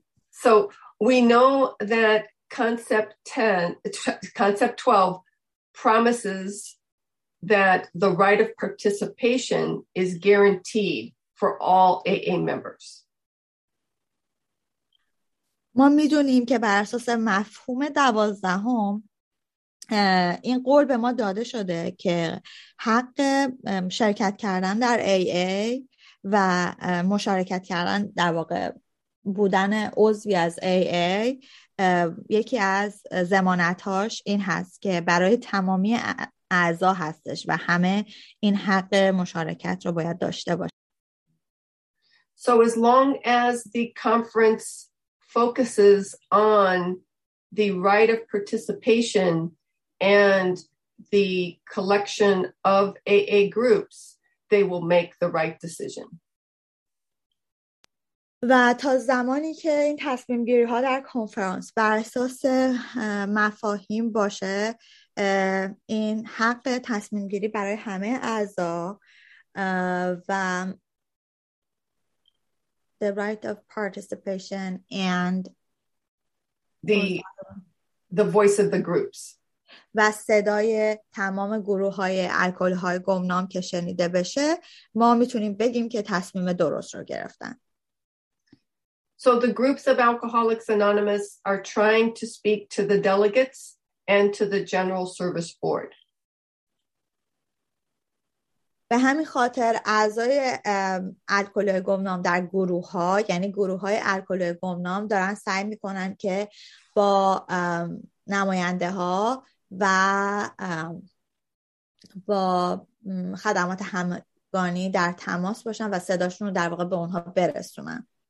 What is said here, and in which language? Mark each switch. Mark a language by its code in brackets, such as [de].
[en] So we know that concept 12 promises that the right of participation is guaranteed for all AA members. [fa] ما میدونیم که بر اساس مفهوم دوازدهم این قول به ما داده شده که حق شرکت کردن در AA و مشارکت کردن در واقع بودن عضوی از AA یکی از ضمانت‌هاش این هست که برای تمامی اعضا هستش و همه این حق مشارکت رو باید داشته باشه. [en] So as long as the conference focuses on the right of participation and the collection of AA groups, they will make the right decision. [fa] و تا زمانی که این تصمیم گیری ها در کنفرانس بر اساس مفاهیم باشه این حق تصمیم گیری برای همه اعضا و [en] the right of participation and the voice of the groups [fa] و صدای تمام گروه های الکل های گمنام که شنیده بشه ما میتونیم بگیم که تصمیم درست رو گرفتن. [en] So the groups of Alcoholics Anonymous are trying to speak to the delegates and to the General Service Board. [fa] به همین خاطر اعضای الکل‌های گمنام در گروه‌ها یعنی گروه‌های الکل‌های گمنام دارن سعی می‌کنن که با نماینده‌ها و با خدمات همگانی در تماس باشن و صداشون رو در واقع به اونها برسونن.